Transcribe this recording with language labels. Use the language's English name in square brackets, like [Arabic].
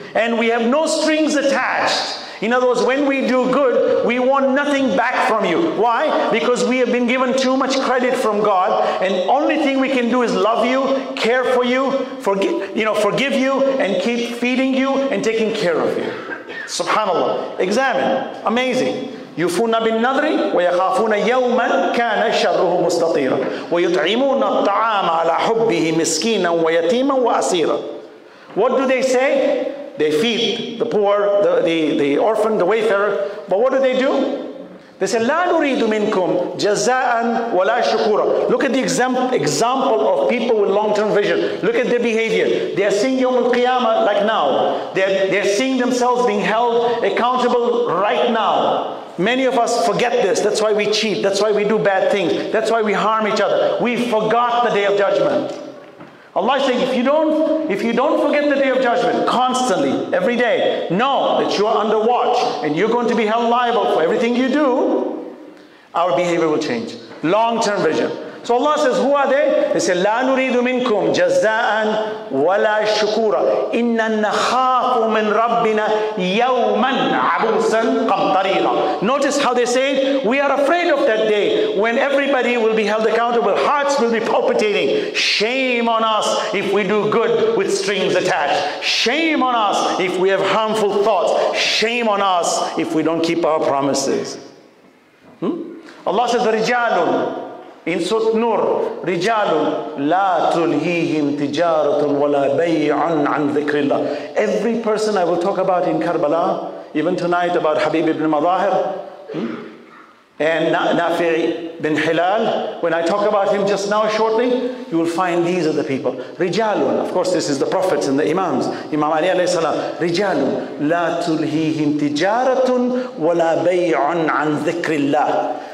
[English] And we have no strings attached. In other words, when we do good, we want nothing back from you. Why? Because we have been given too much credit from God. And only thing we can do is love you, care for you, forgive you, and keep feeding you and taking care of you. SubhanAllah. Examine. Amazing. [Arabic] يُفُونَ بِالنَّذْرِ وَيَخَافُونَ يَوْمًا كَانَ شَرُّهُ مُسْتَطِيرًا وَيُطْعِمُونَ الطَّعَامَ عَلَى حُبِّهِ مِسْكِينًا وَيَتِيمًا وَأَسِيرًا. [English] What do they say? They feed the poor, the orphan, the wayfarer. But what do? They say, [Arabic] لا نريد منكم جزاء ولا شكورا. [English] Look at the example of people with long-term vision. Look at their behavior. They are seeing [Arabic] يوم القيامة [English] like now. They are seeing themselves being held accountable right now. Many of us forget this. That's why we cheat. That's why we do bad things. That's why we harm each other. We forgot the day of judgment. Allah is saying, if you don't forget the day of judgment constantly, every day, know that you are under watch and you're going to be held liable for everything you do, our behavior will change. Long-term vision. So Allah says, who are they? They say, [Arabic] لَا نُرِيدُ مِنْكُمْ جَزَاءً وَلَا شُكُورًا إِنَّا نَخَافُ مِنْ رَبِّنَا يَوْمًا عَبُوسًا قَمْطَرِيرًا. [English] Notice how they say, we are afraid of that day when everybody will be held accountable, hearts will be palpitating. Shame on us if we do good with strings attached. Shame on us if we have harmful thoughts. Shame on us if we don't keep our promises. Allah says, [Arabic] رِجَالٌ [English] In Surah Nur, [Arabic] رِجَالٌ لَا تُلْهِيهِمْ تِجَارَةٌ وَلَا بَيْعٌ عَنْ ذِكْرِ اللَّهِ. [English] Every person I will talk about in Karbala, even tonight about Habib ibn Madahir and Nafi bin Hilal, when I talk about him just now shortly, you will find these are the people. رِجَالٌ, of course this is the prophets and the imams, Imam Ali alayhi salam, [Arabic] رِجَالٌ لَا تُلْهِيهِمْ تِجَارَةٌ وَلَا بَيْعٌ عَنْ ذِكْرِ اللَّهِ.